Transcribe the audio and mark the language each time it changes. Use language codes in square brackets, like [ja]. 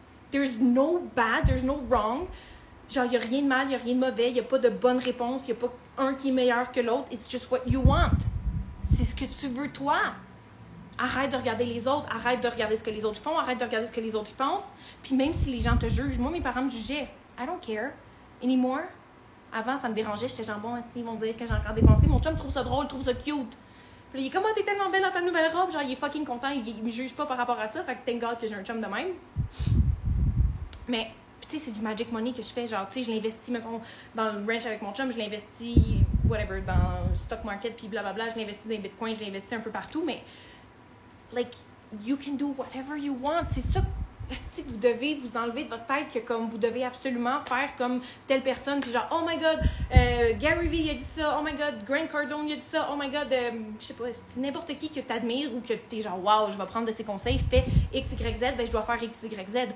[en] There's no bad, there's no wrong. [fr] Genre, y a rien de mal, y a rien de mauvais, y a pas de bonne réponse, y a pas un qui est meilleur que l'autre. [en] It's just what you want. [fr] C'est ce que tu veux, toi. Arrête de regarder les autres, arrête de regarder ce que les autres font, arrête de regarder ce que les autres pensent. Puis même si les gens te jugent, moi, mes parents me jugeaient. [en] I don't care anymore. [fr] Avant, ça me dérangeait, j'étais genre, bon, ils vont dire que j'ai encore dépensé. Mon chum trouve ça drôle, trouve ça cute. Puis il est comme, oh, t'es tellement belle dans ta nouvelle robe. Genre, il est fucking content, il me juge pas par rapport à ça. Fait que [en] thank God [fr] que j'ai un chum de même. Mais, tu sais, c'est du magic money que je fais. Genre, tu sais, je l'investis, mettons, dans le ranch avec mon chum, je l'investis, whatever, dans le stock market, puis blablabla. Je l'investis dans les bitcoins, je l'investis un peu partout, mais. [en] Like, you can do whatever you want. [fr] C'est ça que si vous devez vous enlever de votre tête que comme vous devez absolument faire comme telle personne, puis genre, [en] oh my God, [fr] Gary Vee, il a dit ça. Oh my God, Grant Cardone, il a dit ça. Oh my God, je sais pas, c'est n'importe qui que t'admires ou que t'es genre, wow, je vais prendre de ses conseils, fais X, Y, Z, ben je dois faire X, Y, Z.